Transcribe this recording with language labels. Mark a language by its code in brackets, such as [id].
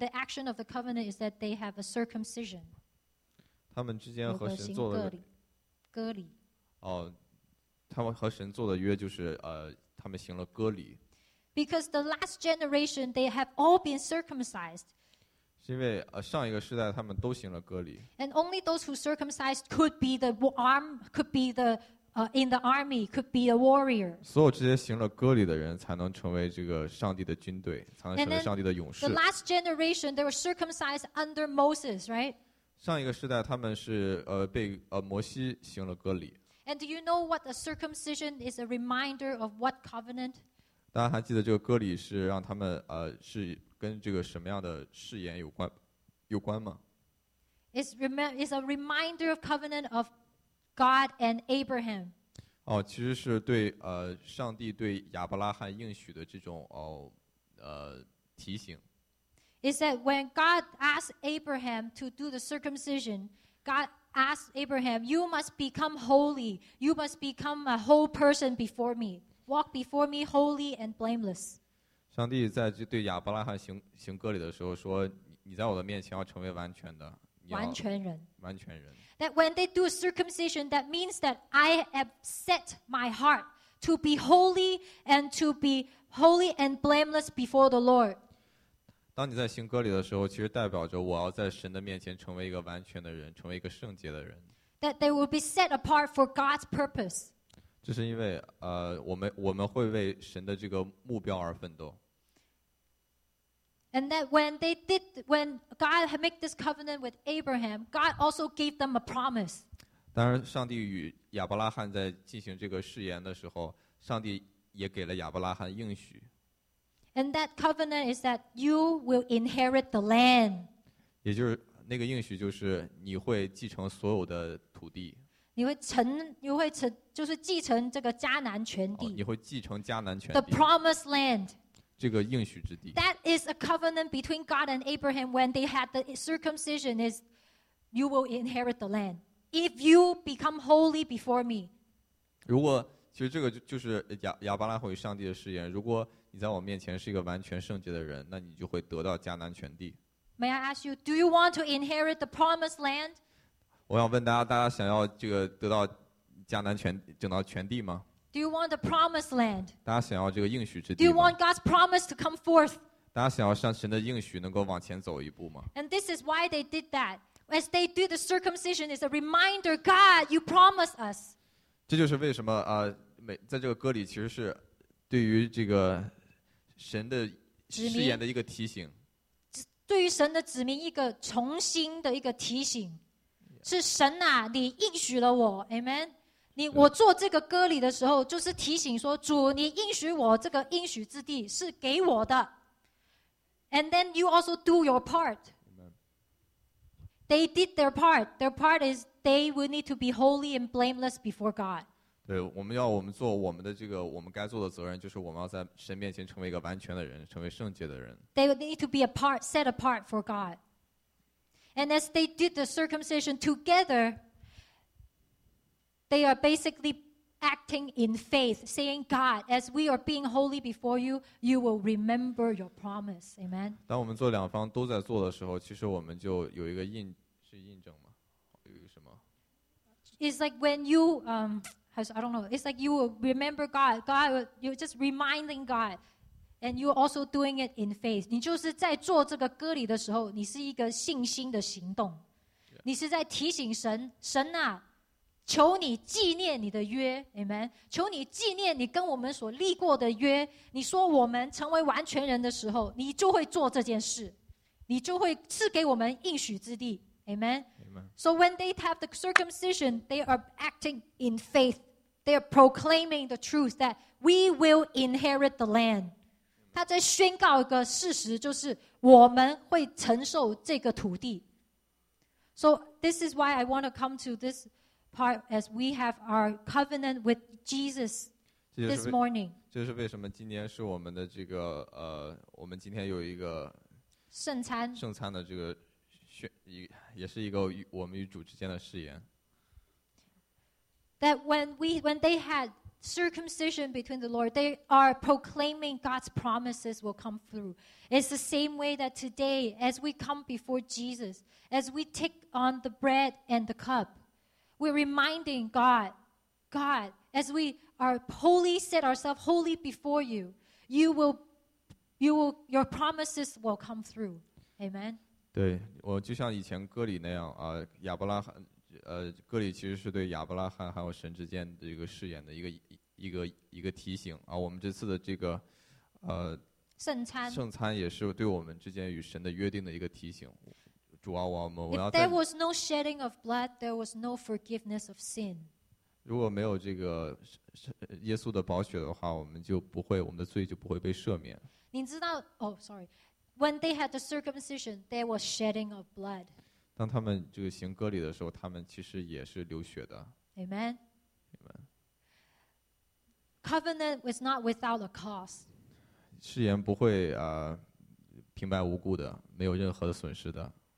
[en] The action of the covenant is that they have a circumcision. [zh] 他们之间和神做的割礼。哦，他们和神做的约就是他们行了割礼。 [en] Because the last generation, they have all been circumcised. [zh] 是因为上一个世代他们都行了割礼。 [en] And only those who circumcised could be in the army, could be a warrior. [zh] 所有这些行了割礼的人才能成为这个上帝的军队，才能成为上帝的勇士。 [en] The last generation, they were circumcised under Moses, right? [zh] 上一个世代他们是被摩西行了割礼。 [en] And do you know what a circumcision is a reminder of what covenant? [zh] 大家还记得这个割礼是让他们是跟这个什么样的誓言有关吗？ [en] It's a reminder of covenant of God and Abraham. [zh] 哦，其实是对上帝对亚伯拉罕应许的这种提醒。 [en] Is that when God asked Abraham to do the circumcision, God asked Abraham, you must become holy. You must become a whole person before me. Walk before me holy and blameless. [zh] 上帝在对亚伯拉罕行割礼的时候说，你在我的面前要成为完全的。完全人。完全人。 [en] That when they do circumcision, that means that I have set my heart to be holy and to be holy and blameless before the Lord. [zh] 当你在行割礼的时候，其实代表着我要在神的面前成为一个完全的人，成为一个圣洁的人。 [en] That they will be set apart for God's purpose. [zh] 这是因为我们会为神的这个目标而奋斗。 [en] And that when God had made this covenant with Abraham, God also gave them a promise. [zh] 当然，上帝与亚伯拉罕在进行这个誓言的时候，上帝也给了亚伯拉罕应许。 [en] And that covenant is that you will inherit the land. [zh] 也就是那个应许就是你会继承所有的土地。你会承就是继承这个迦南全地。你会继承迦南全地。 [en] The promised land. [zh] 这个应许之地。 [en] That is a covenant between God and Abraham when they had the circumcision is you will inherit the land. If you become holy before me. [zh] 如果其实这个就是亚伯拉罕与上帝的誓言，如果你在我面前是一个完全圣洁的人，那你就会得到迦南全地。 [en] May I ask you, do you want to inherit the promised land? [zh] 我想问大家，大家想要这个得到迦南全整到全地吗 [en] ？Do you want the promised land? [zh] 大家想要这个应许之地吗 [en] ？Do you want God's promise to come forth? [zh] 大家想要向神的应许能够往前走一步吗 [en] ？And this is why they did that. As they do the circumcision, it's a reminder, God, you promised us. [zh] 这就是为什么在这个歌里其实是对于这个。神的誓言的一个提醒，对于神的子民一个重新的一个提醒，是神啊，你应许了我 ，Amen。你我做这个割礼的时候，就是提醒说，主，你应许我这个应许之地是给我的。 [en] And then you also do your part. They did their part. Their part is they will need to be holy and blameless before God. [zh] 对，我们要我们做我们的这个我们该做的责任，就是我们要在神面前成为一个完全的人，成为圣洁的人。 [en] They need to be apart, set apart for God. And as they did the circumcision together, they are basically acting in faith, saying, "God, as we are being holy before you, you will remember your promise." Amen. [zh] 当我们做两方都在做的时候，其实我们就有一个印证吗？有一个什么 [en] ？It's like when you I don't know. It's like you will remember God. God, you're just reminding God, and you're also doing it in faith. [zh] 你就是在做这个割礼的时候，你是一个信心的行动。你是在提醒神，神啊，求你纪念你的约 ，Amen. 求你纪念你跟我们所立过的约。你说我们成为完全人的时候，你就会做这件事，你就会赐给我们应许之地 ，Amen. [en] So when they have the circumcision, they are acting in faith. They are proclaiming the truth that we will inherit the land. [zh] 他在宣告一个事实，就是我们会承受这个土地。 [en] So this is why I want to come to this part as we have our covenant with Jesus this morning. [zh] 这就是为什么今天是我们的这个我们今天有一个圣餐的这个。也是一个我们与主之间的誓言。 [en] That when they had circumcision between the Lord, they are proclaiming God's promises will come through. It's the same way that today, as we come before Jesus, as we take on the bread and the cup, we're reminding God, God, as we are holy, set ourselves holy before you, your promises will come through. Amen. [zh] 对，我就像以前割礼那样亚伯拉罕割礼其实是对亚伯拉罕还有神之间的一个誓言的一个提醒我们这次的这个圣餐也是对我们之间与神的约定的一个提醒。主啊，我要。 [en] If there was no shedding of blood, there was no forgiveness of sin. [zh] 如果没有这个耶稣的宝血的话，我们就不会，我们的罪就不会被赦免。你知道？哦 ， [en] sorry. When they had the circumcision, there was shedding of blood. [zh] 当他们这个行割礼的时候，他们其实也是流血的。 [en] Amen. Amen. Covenant was not without a cost. [zh] 誓言不会平白无故的，没有任何的损失的。